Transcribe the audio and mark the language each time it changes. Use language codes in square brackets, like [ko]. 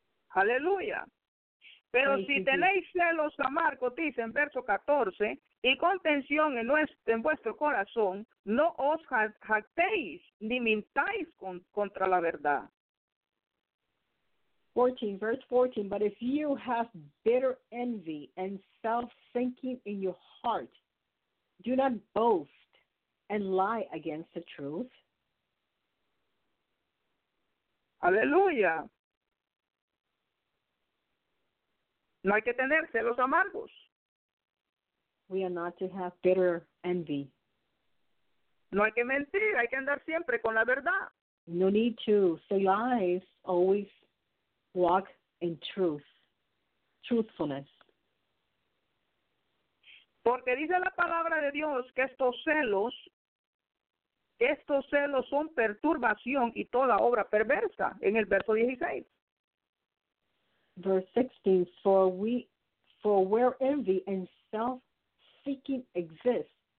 [es] Aleluya. Pero si tenéis celos amargos, dice en verso 14, y contención en vuestro corazón, no os jactéis ni mintáis contra la verdad. [en] 14, verse 14, but if you have bitter envy and self-thinking in your heart, do not boast and lie against the truth. [es] Aleluya. No hay que tener celos amargos. [en] We are not to have bitter envy. [es] No hay que mentir, hay que andar siempre con la verdad. [en] No need to say lies, always walk in truth, truthfulness. [es] Porque dice la palabra de Dios que estos celos son perturbación y toda obra perversa, en el verso 16. [en] Verse 16, for where envy and self-seeking exist,